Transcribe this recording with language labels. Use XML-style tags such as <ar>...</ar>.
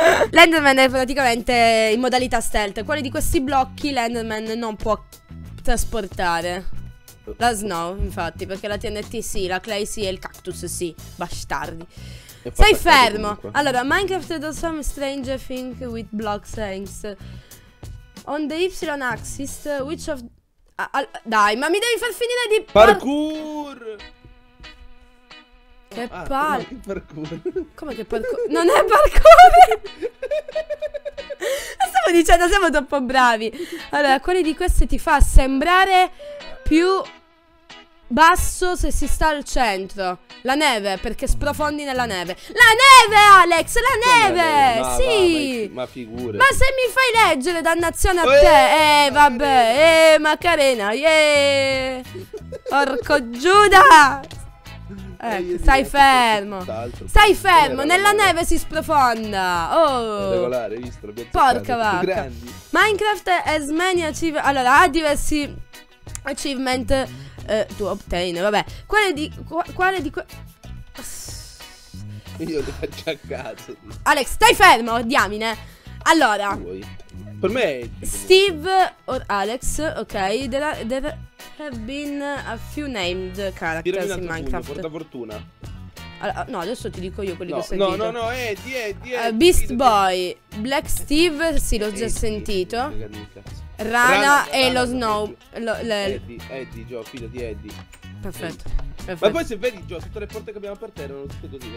<it>L'Enderman è praticamente in modalità stealth. Quali di questi blocchi l'Enderman non può trasportare? La snow, infatti, perché la TNT sì, la clay sì e il cactus sì, bastardi. Stai fermo. Comunque.</it> <en>Allora, Minecraft does some strange thing with block things. On the y-axis, which of...</en> <it>dai, ma mi devi far finire di... Parkour! Che palle. No, parkour. Come che parkour? Non è parkour! Stavo dicendo, siamo troppo bravi. Allora, quale di queste ti fa sembrare più... basso se si sta al centro. La neve, perché sprofondi nella neve. La neve, Alex, la neve. Ma sì, ma figure. Ma se mi fai leggere, dannazione a te. Vabbè, Macarena, yeah. Orco Giuda. Stai fermo. Stai fermo, nella neve si sprofonda. Oh, regolare, visto, porca vacca.</it> <en>Minecraft has many achievements.</en> <it>Allora, ha diversi achievement</it> <en>to obtain.</en> <it>Vabbè, io lo faccio a caso. Alex, stai fermo, diamine. Allora, per me</it> <en>Steve or Alex, ok, there have been a few named characters in Minecraft.</en> <it>Porta fortuna. Allora, no, adesso ti dico io quelli che ho sentito. No, Beast Boy, Black Steve, sì, l'ho già sentito. Rana e lo Snow. Eddie, Joe, figlio di Eddie. Perfetto. Ma poi se vedi, Joe, tutte le porte che abbiamo per terra erano tutte così.</it>